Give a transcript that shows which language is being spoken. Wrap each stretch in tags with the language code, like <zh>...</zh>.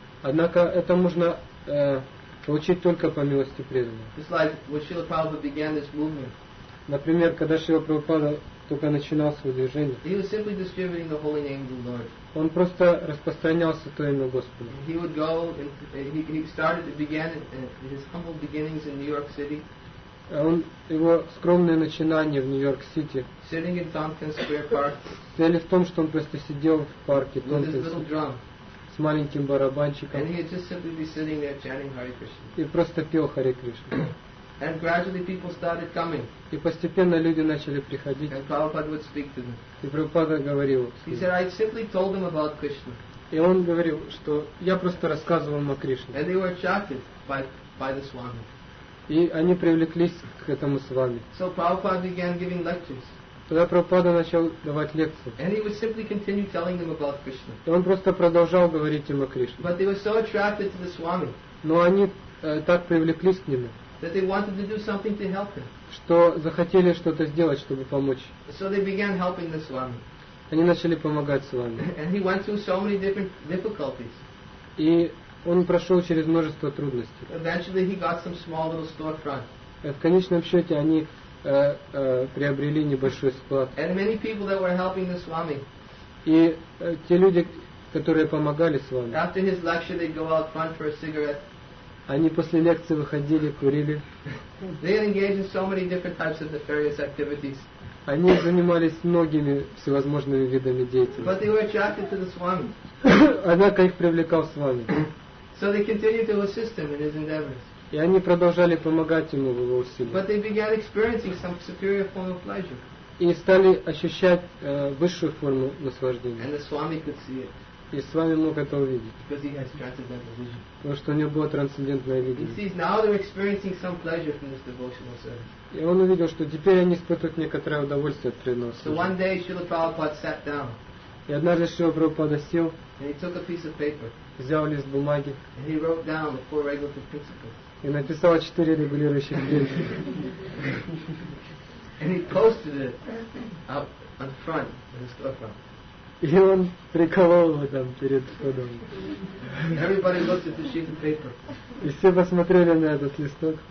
<ru>Однако это можно получить только по милости преданного.</ru> <en>It's like when Srila Prabhupada began this movement.</en> <ru>Например, когда Шрила Прабхупада только начинал свое движение.</ru> <en>He was simply distributing the holy name of the Lord.</en> <ru>Он просто распространял Святое имя Господа.</ru> <en>He would go and began his humble beginnings in New York City.</en> <ru>Он его скромные начинания в Нью-Йорк-Сити.</ru> <en>Sitting in Tompkins Square Park.</en> <ru>Цель в том, что он просто сидел в парке Tompkins. С маленьким барабанчиком.</ru> <en>And he would just simply be sitting there chanting Hare Krishna.</en> <ru>И просто пел Харе Кришна.</ru> <en>And gradually people started coming.</en> <ru>И постепенно люди начали приходить.</ru> <en>And Prabhupada would speak to them.</en> <ru>И Прабхупада говорил.</ru> <en>He said, I simply told them about Krishna.</en> <ru>И он говорил, что я просто рассказывал им о Кришне.</ru> <en>And they were attracted by the Swami.</en> <ru>И они привлеклись к этому Свами.</ru> <en>So Prabhupada began giving lectures.</en> <ru>Тогда Прабхупада начал давать лекции.</ru> <en>And he would simply continue telling them about Krishna.</en> <ru>И он просто продолжал говорить им о Кришне.</ru> <en>But they were so attracted to the Swami.</en> <ru>Но они так привлеклись к нему.</ru> <en>That they wanted to do something to help him.</en> <ru>Что захотели что-то сделать, чтобы помочь.</ru> <en>So they began helping the Swami.</en> <ru>Они начали помогать Свами.</ru> <en>And he went through so many different difficulties.</en> <ru>И он прошел через множество трудностей.</ru> <en>Eventually he got some small little storefront.</en> <ru>В конечном счете они приобрели небольшой склад.</ru> <en>And many people that were helping the Swami.</en> <ru>И те люди, которые помогали Свами.</ru> <en>After his lecture, they'd go out front for a cigarette.</en> <ru>Они после лекции выходили, курили.</ru> <en>They engaged in so many different types of nefarious activities.</en> <ru>Они занимались многими всевозможными видами деятельности.</ru> <en>But they were attracted to the Swami.</en> <ru>Однако их привлекал Свами.</ru> <en>So they continued to assist him in his endeavors.</en> <ru>И они продолжали помогать ему в его усилиях.</ru> <en>But they began experiencing some superior form of pleasure.</en> <ru>И стали ощущать высшую форму наслаждения.</ru> <en>And the Swami could see it.</en> <ru>И Свами мог это увидеть.</ru> <en>Because he has transcendental vision.</en> <ru>Потому что у него было трансцендентное видение.</ru> <en>He sees now they're experiencing some pleasure from this devotional service.</en> <ru>И он увидел, что теперь они испытывают некоторое удовольствие от приноса.</ru> <en>So one day Srila Prabhupada sat down.</en> <ru>И однажды Шрила Прабхупада сел.</ru> <en>And he took a piece of paper.</en> <ru>Взял лист бумаги.</ru> <en>And he wrote down the four regulative principles.</en> <ru>И написал четыре регулирующих принципа.</ru> <en>And he posted it up on the front, in the storefront.</en> <ru>И он приколол его там перед входом.</ru> <en>Everybody looked at the sheet of paper.</en> <ru>И все посмотрели на этот листок.</ru>